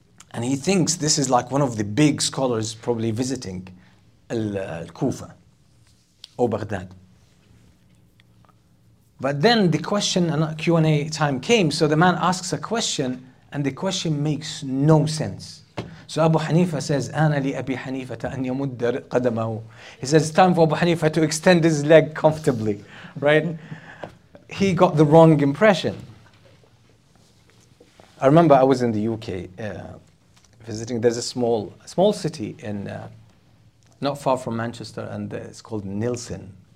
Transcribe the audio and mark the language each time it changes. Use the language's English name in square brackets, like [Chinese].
[English] And he thinks this is like one of the big scholars probably visiting Al-Kufa or Baghdad. But then the question and Q&A time came, so the man asks a question, and the question makes no sense. So Abu Hanifa says, [Arabic] أَنَا لِأَبِي حَنِيفَةَ أَنْ يَمُدَّ قَدَمَهُ. [English] He says, it's time for Abu Hanifa to extend his leg comfortably, right? He got the wrong impression. I remember I was in the UK, visiting. There's a small city in not far from Manchester, and it's called Nilsen.